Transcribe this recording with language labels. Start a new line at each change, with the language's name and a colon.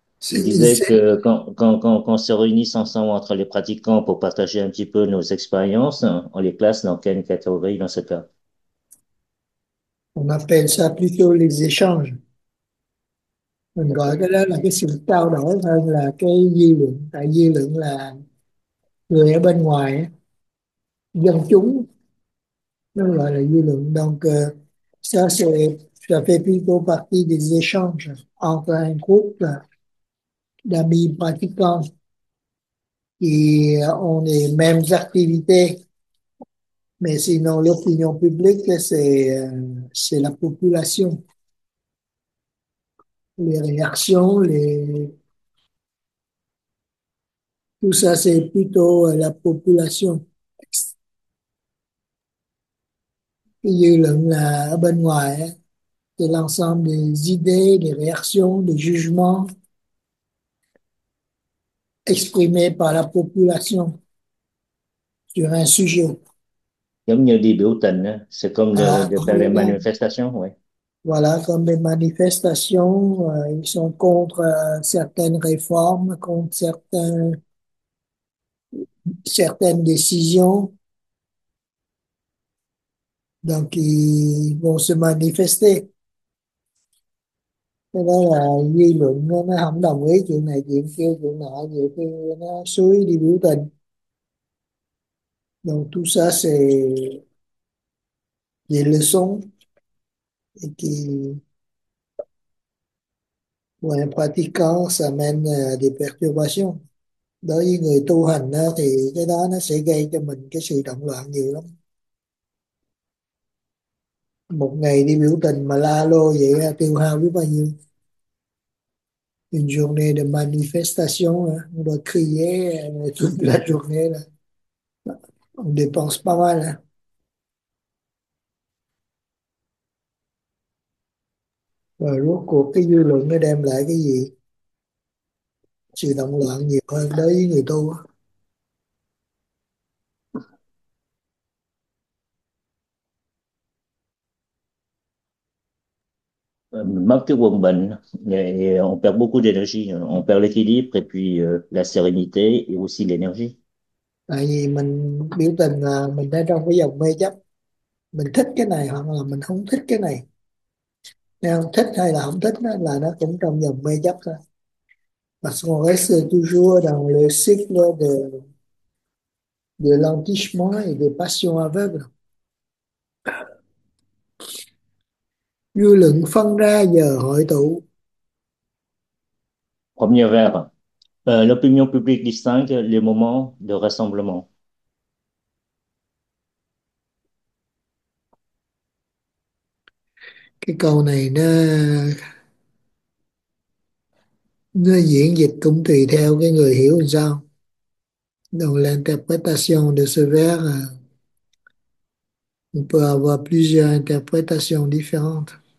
French: Il disait que quand on se réunit ensemble entre les pratiquants pour partager un petit peu nos expériences, hein, on les classe dans quelle catégorie dans ce cas? On appelle ça plutôt les échanges.
Vietnamese: Mình gọi
French: D'accord.
Vietnamese: cái đó là cái sự trao đổi hơn là cái dư luận. Tại dư luận là người ở bên ngoài, dân chúng, nó gọi là dư luận.
French: Donc, ça fait plutôt partie des échanges entre un groupe d'amis pratiquants qui ont les mêmes activités. Mais sinon, l'opinion publique, c'est la population. Les réactions, tout ça, c'est plutôt la population.
Vietnamese: Dư luận là ở bên ngoài,
French: c'est l'ensemble des idées, des réactions, des jugements exprimés par la population sur un sujet.
Vietnamese: Giống như đi biểu tình á,
French: c'est comme À, de faire les ok. manifestations, oui. Voilà, comme des manifestations, ils sont contre certaines réformes, contre certaines décisions. Donc, ils vont se manifester.
Vietnamese: Cái đó là dư luận nó không đồng ý chuyện này chuyện kia chuyện nọ, nhiều khi nó suối đi biểu tình.
French: Donc tout ça c'est des leçons et qui pour un pratiquant ça mène à des perturbations.
Vietnamese: Đối với người tu hành đó, thì cái đó nó sẽ gây cho mình cái sự động loạn nhiều lắm. Một ngày đi biểu tình mà la lô vậy là tiêu hao biết bao nhiêu.
French: Une journée de manifestation, hein? On doit crier toute la journée. On dépense pas mal. Hein?
Vietnamese: Và rốt cuộc cái dư luận nó đem lại cái gì? Sự động loạn nhiều hơn đối với người tu.
French: Mal que bon ben, et on perd beaucoup d'énergie, on perd l'équilibre et puis la sérénité et aussi l'énergie.
Vietnamese: Tại vì mình biểu tình là mình đang trong cái dòng mê chấp, mình thích cái này hoặc là mình không thích cái này. Nếu thích hay là không thích đó, là nó cũng trong dòng mê chấp thôi.
French: Và son reste toujours dans le cycle de l'enrichissement et des passions aveugles.
Vietnamese: Lượng phân ra giờ hội tụ.
French: Premier verbe. L'opinion publique distingue les moments de rassemblement.
Vietnamese: Cái câu này nó diễn dịch cũng tùy theo cái người hiểu làm sao.
French: Dans l'interprétation de ce vers, on peut avoir plusieurs interprétations différentes.